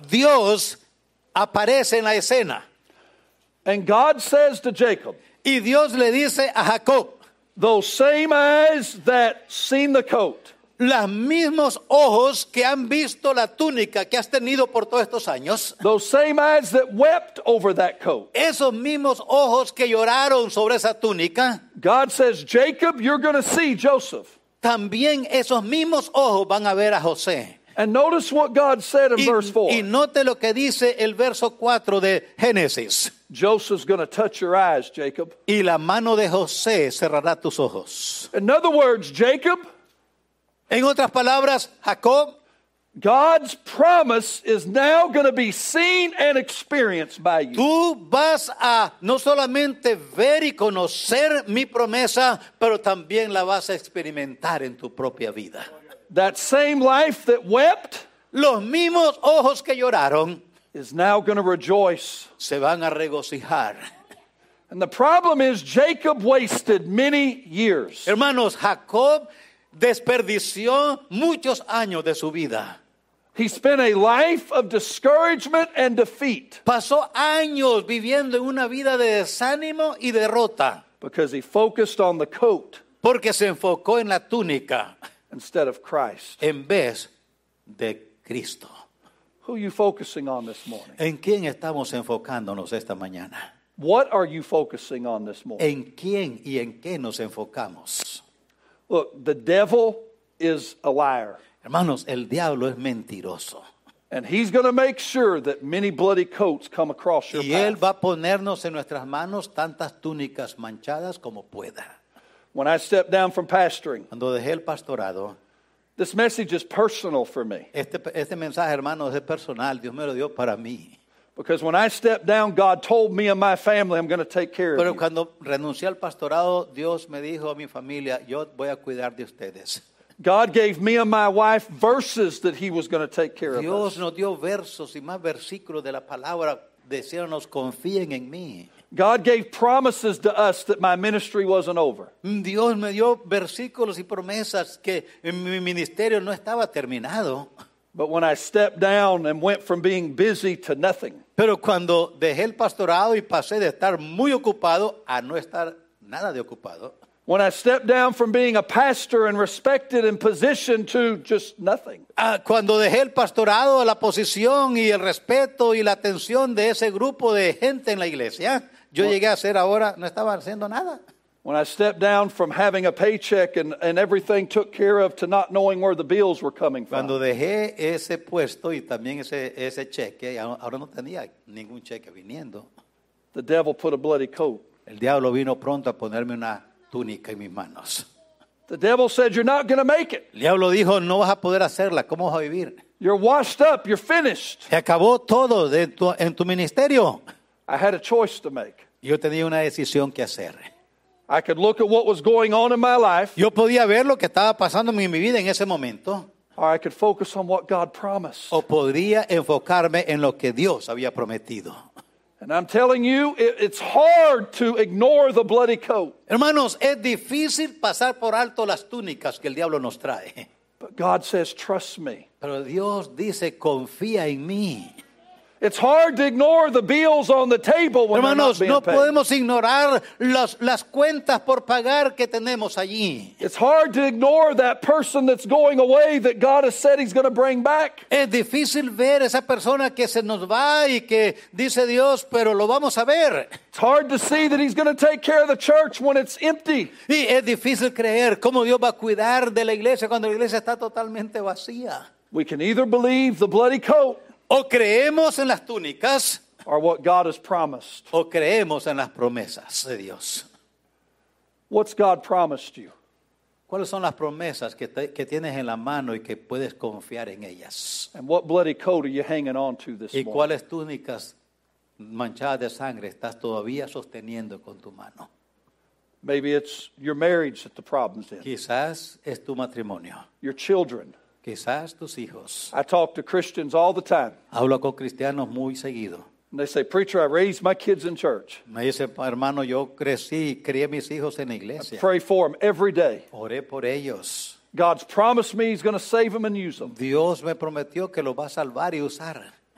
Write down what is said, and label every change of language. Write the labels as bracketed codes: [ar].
[es] Dios aparece en la escena. [en] And God says to Jacob. [es] Y Dios le dice a Jacob. [en] Those same eyes that seen the coat. [es] Los mismos ojos que han visto la túnica que has tenido por todos estos años. [en] Those same eyes that wept over that coat. [es] Esos mismos ojos que lloraron sobre esa túnica. [en] God says, Jacob, you're going to see Joseph. [es] También esos mismos ojos van a ver a José. [en] And notice what God said in verse 4. [es] Y note lo que dice el verso 4 de Génesis. [en] Joseph's going to touch your eyes, Jacob. [es] Y la mano de José cerrará tus ojos. [en] In other words, Jacob. [es] En otras palabras, Jacob. [en] God's promise is now going to be seen and experienced by you. [es] Tú vas a no solamente ver y conocer mi promesa, pero también la vas a experimentar en tu propia vida. [en] That same life that wept, [es] los mismos ojos que lloraron, [en] is now going to rejoice. [es] Se van a regocijar. [en] And the problem is Jacob wasted many years. [es] Hermanos, Jacob desperdició muchos años de su vida. [en] He spent a life of discouragement and defeat. [es] Pasó años viviendo en una vida de desánimo y derrota. [en] Because he focused on the coat. [es] Porque se enfocó en la túnica. [en] Instead of Christ. [es] En vez de Cristo. [en] Who are you focusing on this morning? [es] ¿En quién estamos enfocándonos esta mañana? [en] What are you focusing on this morning? [es] ¿En quién y en qué nos enfocamos? [en] Look, the devil is a liar. [es] Hermanos, el diablo es mentiroso. [en] And he's going to make sure that many bloody coats come across your path. [es] Y él va a ponernos en nuestras manos tantas túnicas manchadas como pueda. [en] When I stepped down from pastoring, [es] cuando dejé el pastorado, [en] This message is personal for me. [es] Este mensaje, hermano, es personal. Dios me lo dio para mí. [en] Because when I stepped down, God told me and my family, I'm going to take care [es] Pero [en] of you. [es] Pero cuando renuncié al pastorado, Dios me dijo a mi familia, yo voy a cuidar de ustedes. [en] God gave me and my wife verses that he was going to take care [es] Dios [en] of us. [es] Dios nos dio versos y más versículos de la palabra, diciéndonos, confíen en mí. [en] God gave promises to us that my ministry wasn't over. [es] Dios me dio versículos y promesas que mi ministerio no estaba terminado. [en] But when I stepped down and went from being busy to nothing. [es] Pero cuando dejé el pastorado y pasé de estar muy ocupado a no estar nada de ocupado. [en] When I stepped down from being a pastor and respected and positioned to just nothing. [es] Cuando dejé el pastorado, la posición y el respeto y la atención de ese grupo de gente en la iglesia, yo llegué a ser ahora, no estaba haciendo nada. [en] When I stepped down from having a paycheck and everything took care of to not knowing where the bills were coming from. [es] Cuando dejé ese puesto y también ese cheque, ahora no tenía ningún cheque viniendo. [en] The devil put a bloody coat. [es] El diablo vino pronto a ponerme una túnica en mis manos. [en] The devil said, "You're not going to make it." [es] El diablo dijo, "No vas a poder hacerla. ¿Cómo vas a vivir?" [en] You're washed up. You're finished. [es] Se acabó todo en tu ministerio. [en] I had a choice to make. [es] Yo tenía una decisión que hacer. [en] I could look at what was going on in my life. [es] Yo podía ver lo que estaba pasando en mi vida en ese momento. [en] Or I could focus on what God promised. [es] O podría enfocarme en lo que Dios había prometido. [en] And I'm telling you, it's hard to ignore the bloody coat. [es] Hermanos, es difícil pasar por alto las túnicas que el diablo nos trae. [en] But God says, "Trust me." [es] Pero Dios dice, "Confía en mí." [en] It's hard to ignore the bills on the table when [es] Hermanos, [en] they're not being [es] no [en] paid. [es] Podemos ignorar las cuentas por pagar que tenemos allí. [en] It's hard to ignore that person that's going away that God has said he's going to bring back. [es] Es difícil ver esa persona que se nos va y que dice Dios, pero lo vamos a ver. [en] It's hard to see that he's going to take care of the church when it's empty. [es] Y es difícil creer cómo Dios va a cuidar de la iglesia cuando la iglesia está totalmente vacía. [en] We can either believe the bloody coat. [es] O creemos en las túnicas. [en] Or what God has promised. [es] O creemos en las promesas de Dios. [en] What's God promised you? [es] ¿Cuáles son las promesas que tienes en la mano y que puedes confiar en ellas? [en] And what bloody coat are you hanging on to this [es] ¿Y cuáles túnicas manchadas de sangre estás todavía sosteniendo con tu mano? [en] Maybe it's your marriage that the problem's in. [es] Quizás es tu matrimonio. [en] Your children. [es] Quizás tus hijos. [en] I talk to Christians all the time. [es] Hablo con cristianos muy seguido. [en] And they say, "Preacher, I raised my kids in church." [es] Me dice, hermano, yo crecí y crié mis hijos en la iglesia. [en] I pray for them every day. [es] Oré por ellos. [en] God's promised me he's going to save them and use them. [es] Dios me prometió que los va a salvar y usar.